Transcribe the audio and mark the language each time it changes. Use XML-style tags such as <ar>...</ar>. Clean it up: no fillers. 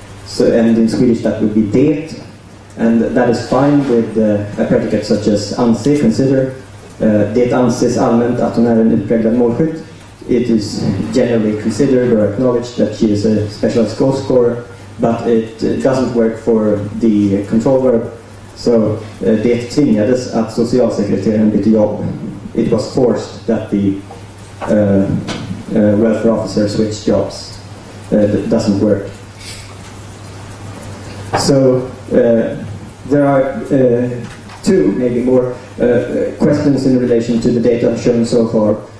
<en>So, and in Swedish that would be det. And that is fine with a predicate such as anse, consider.</en> <sv>Det anses allmänt att hon är en utpräglad målskytt.</sv> <en>It is generally considered or acknowledged that she is a specialist goal scorer, but it doesn't work for the control verb.</en> <sv>So, det tvingades att socialsekreteraren bytte jobb.</sv> <en>It was forced that the welfare officer switched jobs. That doesn't work. So, there are two, maybe more, questions in relation to the data shown so far.</en>